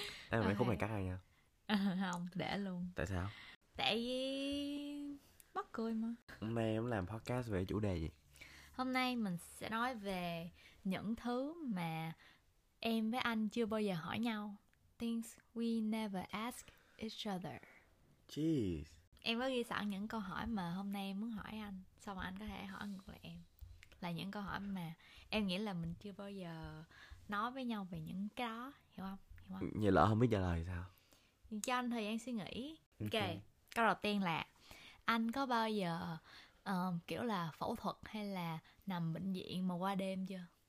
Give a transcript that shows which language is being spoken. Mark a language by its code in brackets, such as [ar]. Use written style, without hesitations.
[vi] Em mày okay. Không mày cắt ai nha? Không, để luôn. Tại sao? Tại vì... mắc cười mà. Hôm nay em làm podcast về chủ đề gì? Hôm nay mình sẽ nói về những thứ mà em với anh chưa bao giờ hỏi nhau. [en] Things we never ask each other. Jeez. [vi] Em có ghi sẵn những câu hỏi mà hôm nay em muốn hỏi anh, xong rồi anh có thể hỏi ngược lại em. Là những câu hỏi mà em nghĩ là mình chưa bao giờ nói với nhau về những cái đó. Hiểu không? Hiểu không? Vậy lỡ không biết trả lời thì sao? Cho anh thời gian suy nghĩ. Okay. Câu đầu tiên là anh có bao giờ kiểu là phẫu thuật hay là nằm bệnh viện mà qua đêm chưa?